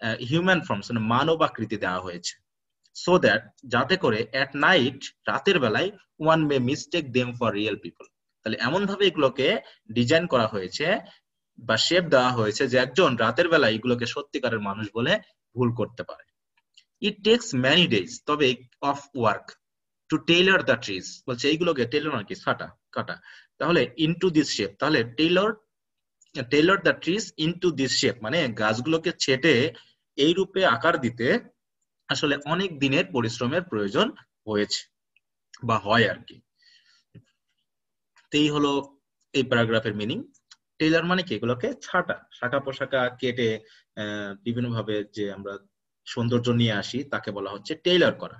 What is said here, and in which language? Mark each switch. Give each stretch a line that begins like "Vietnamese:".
Bangla: Human forms মানে মানব আকৃতি দেওয়া হয়েছে,
English: so that
Bangla: যাতে করে
English: at night
Bangla: রাতের বেলায়
English: one may mistake them for real people,
Bangla: তাহলে এমন ভাবে এগুলোকে ডিজাইন করা হয়েছে বা শেপ দেওয়া হয়েছে যে একজন রাতের বেলায় এগুলোকে সত্যিকারের মানুষ বলে ভুল করতে পারে।
English: It takes many days of work to tailor the trees.
Bangla: বলছে এইগুলোকে টেলর নাকি সাটা কাটা তাহলে
English: into this shape,
Bangla: তাহলে
English: tailor tailor the trees into this shape,
Bangla: মানে গাছগুলোকে ছেঁটে এই রূপে আকার দিতে আসলে অনেক দিনের পরিশ্রমের প্রয়োজন হয়েছে বা হয় আর কি। এই হলো এই প্যারাগ্রাফের মিনিং। টেইলর মানে কি, এগুলোকে ছাঁটা, শাখা প্রশাখা কেটে বিভিন্ন ভাবে যে আমরা সৌন্দর্য নিয়ে আসি তাকে বলা হচ্ছে টেইলর করা।